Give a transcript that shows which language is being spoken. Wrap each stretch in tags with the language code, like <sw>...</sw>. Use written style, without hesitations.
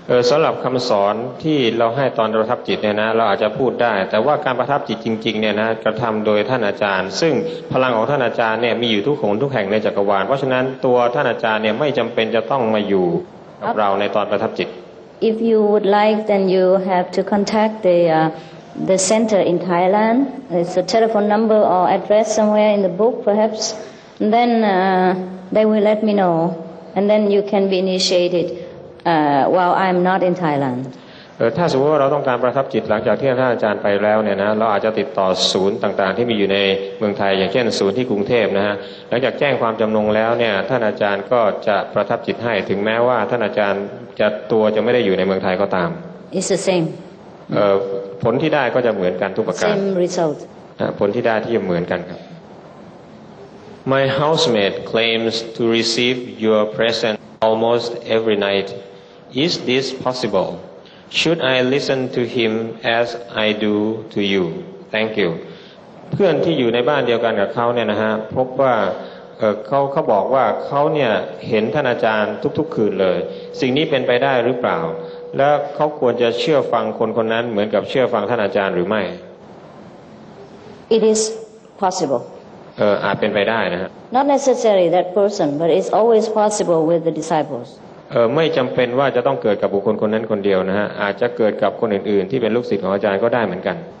<th>สำหรับคำสอนที่เราให้ตอนประทับจิตเนี่ยนะเราอาจจะพูดได้แต่ว่าการประทับจิตจริงๆเนี่ยนะกระทำโดยท่านอาจารย์ซึ่งพลังของท่านอาจารย์เนี่ยมีอยู่ทุกคนทุกแห่งในจักรวาลเพราะฉะนั้นตัวท่านอาจารย์เนี่ยไม่จำเป็นจะต้องมาอยู่กับเราในตอนประทับจิต</th> <en>If you would like then you have to contact the center in Thailand it's a telephone number or address somewhere in the book perhaps and then they will let me know and then you can be initiated while I'm not in Thailand</en> <th>ถ้าสมมติว่าเราต้องการประทับจิตหลังจากที่ท่านอาจารย์ไปแล้วเนี่ยนะเราอาจจะติดต่อศูนย์ต่างๆที่มีอยู่ในเมืองไทยอย่างเช่นศูนย์ที่กรุงเทพนะฮะหลังจากแจ้งความจำนงแล้วเนี่ยท่านอาจารย์ก็จะประทับจิตให้ถึงแม้ว่าท่านอาจารย์จะตัวจะไม่ได้อยู่ในเมืองไทยก็ตาม</th> <en>It's the same</en> <th>ผลที่ได้ก็จะเหมือนกันทุกประการ</th> <en>Same result</en> <th>ผลที่ได้ที่จะเหมือนกันครับ</th> <en>My housemate claims to receive your presence almost every night. Is this possible? Should I listen to him as I do to you? Thank you.</en> <th>เพื่อนที่อยู่ในบ้านเดียวกันกับเขาเนี่ยนะฮะพบว่าเขาบอกว่าเขาเนี่ยเห็นท่านอาจารย์ทุกๆคืนเลยสิ่งนี้เป็นไปได้หรือเปล่าและเขาควรจะเชื่อฟังคนคนนั้นเหมือนกับเชื่อฟังท่านอาจารย์หรือไม่</th> <en>It is possible.</en> <th>อาจเป็นไปได้นะฮะ</th> <en>Not necessarily that person but it's always possible with the disciples</en> <th>ไม่จำเป็นว่าจะต้องเกิดกับบุคคลคนนั้นคนเดียวนะฮะอาจจะเกิดกับคนอื่นๆที่เป็นลูกศิษย์ของอาจารย์ก็ได้เหมือนกัน</th>